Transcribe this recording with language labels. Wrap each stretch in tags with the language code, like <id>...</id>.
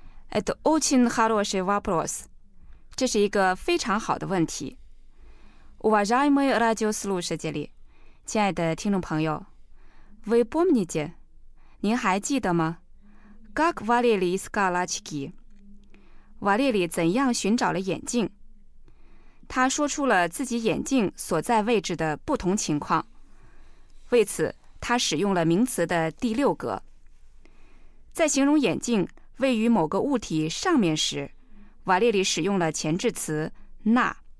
<ru>Это очень хороший вопрос.</ru> <zh>这是一个非常好的问题。</zh> <ru>Уважаемые радиослушатели,</ru> <zh>亲爱的听众朋友，</zh> <ru>Вы помните?</ru> <zh>您还记得吗 ？</zh> <ru>Как Валерий искал очки？</ru> <zh>瓦列里怎样寻找了眼镜？他说出了自己眼镜所在位置的不同情况。为此，他使用了名词的第六格。在形容眼镜位于某个物体上面时，瓦列里使用了前置词那。</zh>